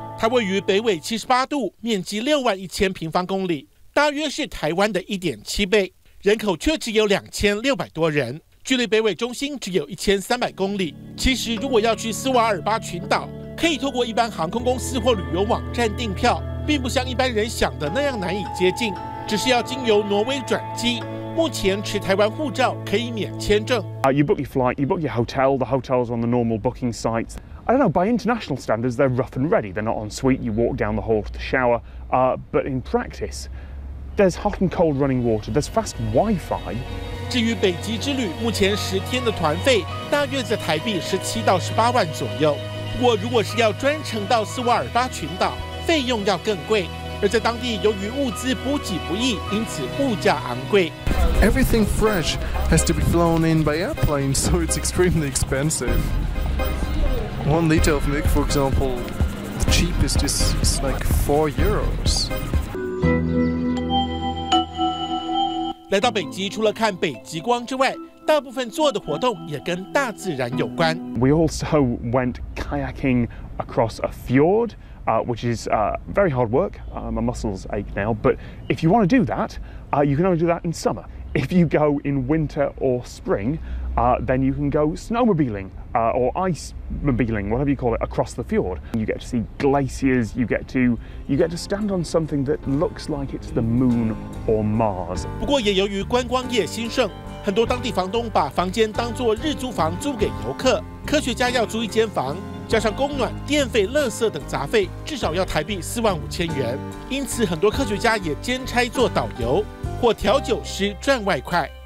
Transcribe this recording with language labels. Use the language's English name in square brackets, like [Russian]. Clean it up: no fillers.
[Chinese] 它位于北纬78度，面积61000平方公里，大约是台湾的1.7倍，人口却只有2600多人，距离北纬中心只有1300公里。其实如果要去斯瓦尔巴群岛，可以透过一般航空公司或旅游网站订票，并不像一般人想的那样难以接近，只是要经由挪威转机。目前持台湾护照可以免签证。 [English] You book your flight, you book your hotel, the hotel's on the normal booking sites. I don't know, by international standards, they're rough and ready. They're not en suite, you walk down the hall to the shower. But in practice, there's hot and cold running water, there's fast Wi-Fi. [Chinese] 至于北极之旅，目前10天的团费大约在台币17到18万左右。不过如果是要专程到斯瓦尔巴群岛，费用要更贵。而在当地，由于物资补给不易，因此物价昂贵。 [English] Everything fresh has to be flown in by airplane, so it's extremely expensive. 1 liter of milk, for example, the cheapest is like 4 euros. [Chinese] 来到北极，除了看北极光之外，大部分做的活动也跟大自然有关。 [English] We also went kayaking across a fjord. Which is very hard work. My muscles ache now. But if you want to do that, you can only do that in summer. If you go in winter or spring, then you can go snowmobiling or icemobiling, whatever you call it, across the fjord. You get to see glaciers. You get to stand on something that looks like it's the moon or Mars. [Chinese] 不过也由于观光业兴盛，很多当地房东把房间当作日租房租给游客。科学家要租一间房。加上供暖、电费、垃圾等杂费，至少要台币45000元。因此，很多科学家也兼差做导游或调酒师赚外快。